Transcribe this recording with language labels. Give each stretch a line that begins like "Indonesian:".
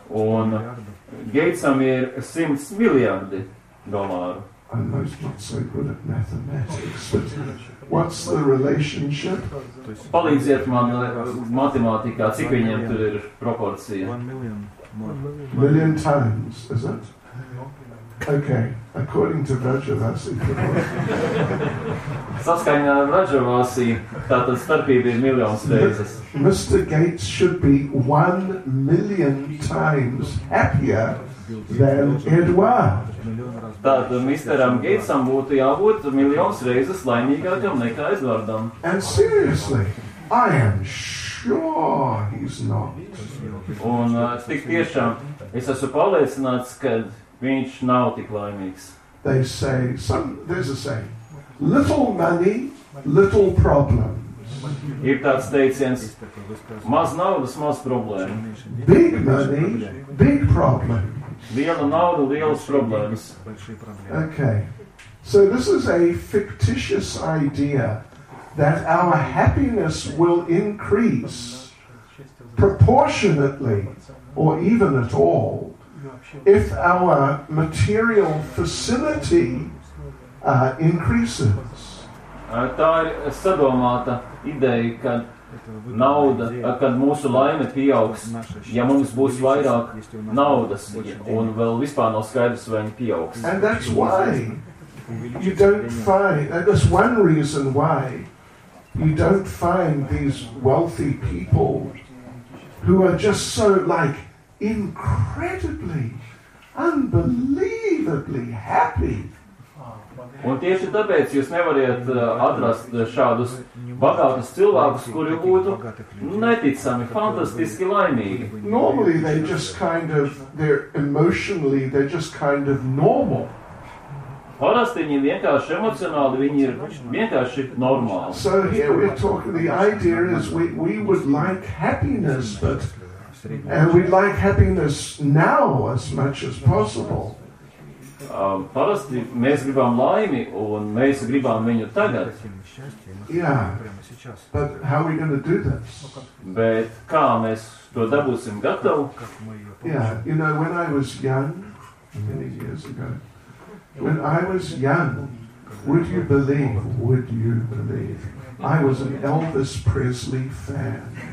Latvian: Un Gatesam ir 100 miljardi dolāru.
English: I'm not so good at mathematics, but what's the relationship?
Latvian: Palīdziet man matemātikā, cik viņiem tur ir proporcija?
English: 1 million times, is it? Okay, according to Vajravasi.
Latvian: Saskaņā ar Vajravasi, tātad starpība ir miljons reizes.
English: Mr. Gates should be 1 million times happier than Edward.
Latvian: Tad Misteram Gatesam būtu jābūt miljons reizes laimīgākam nekā Edvardam.
English: And seriously, I am sure he's not.
Latvian: Un tik tiešām, es esmu pārliecināts, ka viņš nav tik laimīgs.
English: They say, there's a saying, little money, little problems.
Latvian: Ir tāds teiciens, maz naudas, maz problēma.
English: Big money, big problems.
Latvian: Liela nauda, lielas problēmas.
English: Okay. So this is a fictitious idea that our happiness will increase proportionately or even at all if our material facility increases.
Latvian: Tā ir sadomāta ideja, ka nauda, kad mūsu laime pieaugs, ja mums būs vairāk naudas un vēl vispār nav skaidrs, vai viņi pieaugs.
English: And that's why you don't find, that's one reason why you don't find these wealthy people who are just so like incredibly, unbelievably happy.
Latvian: Un tieši tāpēc jūs nevariet atrast šādus bagātus cilvēkus, kuri būtu neticami, fantastiski laimīgi.
English: Normally they just kind of, they're emotionally, they're just kind of normal.
Latvian: Parasti viņi vienkārši emocionāli, viņi ir vienkārši normāli.
English: So here we're talking, the idea is we would like happiness, but and we'd like happiness now as much as possible.
Latvian: Parasti mēs gribam laimi un mēs gribam viņu tagad.
English: Yeah, but how are we going to do this?
Latvian: Bet kā mēs to dabūsim gatavu?
English: Yeah, you know, when I was young, many years ago, when I was young, would you believe, I was an Elvis Presley fan.